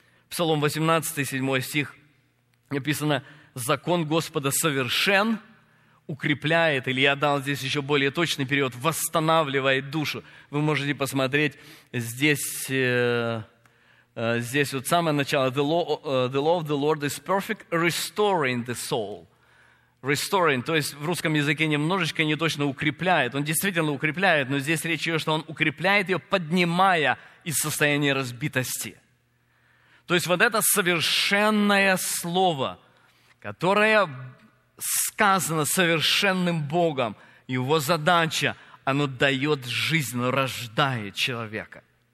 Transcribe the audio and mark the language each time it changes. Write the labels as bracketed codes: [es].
[ru] Псалом 18, 7 стих написано: «Закон Господа совершен». Укрепляет, или я дал здесь еще более точный перевод, восстанавливает душу. Вы можете посмотреть здесь вот самое начало. [en] The law of the Lord is perfect, restoring the soul. [ru] Restoring, то есть в русском языке немножечко не точно укрепляет. Он действительно укрепляет, но здесь речь идет, что он укрепляет ее, поднимая из состояния разбитости. То есть вот это совершенное слово, которое сказано совершенным Богом, Его задача, оно дает жизнь, оно рождает человека.